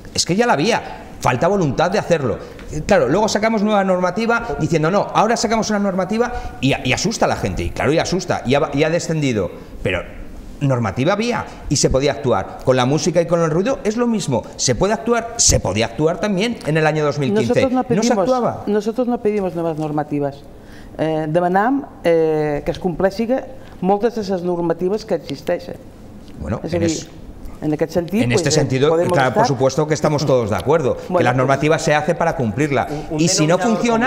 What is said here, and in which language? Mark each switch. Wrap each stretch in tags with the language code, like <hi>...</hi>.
<es>Es que ya la había, falta voluntad de hacerlo. Claro, luego sacamos nueva normativa diciendo no, ahora sacamos una normativa y asusta a la gente. Y claro, y asusta, y ha descendido. Pero normativa había y se podía actuar. Con la música y con el ruido es lo mismo. Se puede actuar, se podía actuar también en el año 2015. Nosotros no pedimos nuevas normativas.</es> <ca>Demanam que es compleixi moltes de les normatives que existeixen. Bueno, és a dir, en aquest sentit,</ca> <es>en este pues, sentido, claro, por supuesto que estamos todos de acuerdo, bueno, que las normativas pues, se hace para cumplirla y si no funciona</es>